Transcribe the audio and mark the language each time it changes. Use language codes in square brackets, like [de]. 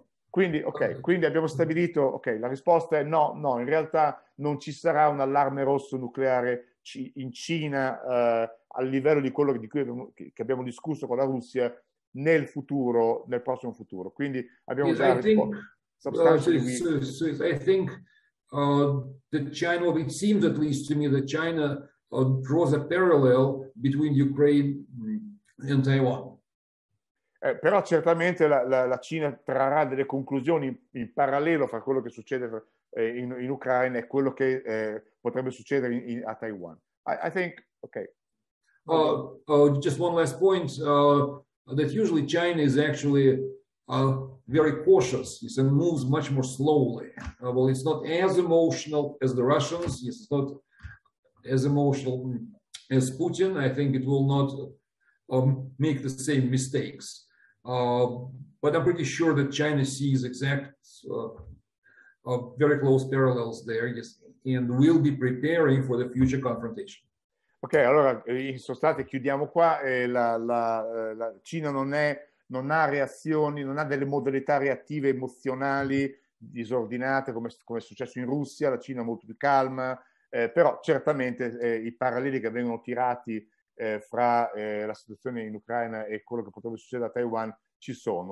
[it] Quindi abbiamo stabilito, ok, la risposta è no, no, in realtà non ci sarà un allarme rosso nucleare in Cina a livello di quello che abbiamo discusso con la Russia nel futuro, nel prossimo futuro. Quindi abbiamo già risposto. [en] I think that China draws a parallel between Ukraine and Taiwan. [it] Però certamente la Cina trarrà delle conclusioni in parallelo fra quello che succede in Ucraina e quello che potrebbe succedere a Taiwan. [en] I think, okay. Just one last point, that usually China is actually very cautious, yes, and moves much more slowly. Well, it's not as emotional as the Russians, yes, it's not as emotional as Putin. I think it will not make the same mistakes. But I'm pretty sure that China sees very close parallels there, yes, and will be preparing for the future confrontation. [it] Ok, allora in sostanza chiudiamo qua. La Cina non ha reazioni, non ha delle modalità reattive emozionali disordinate come è successo in Russia. La Cina è molto più calma, però certamente i paralleli che vengono tirati fra la situazione in Ucraina e quello che potrebbe succedere a Taiwan ci sono.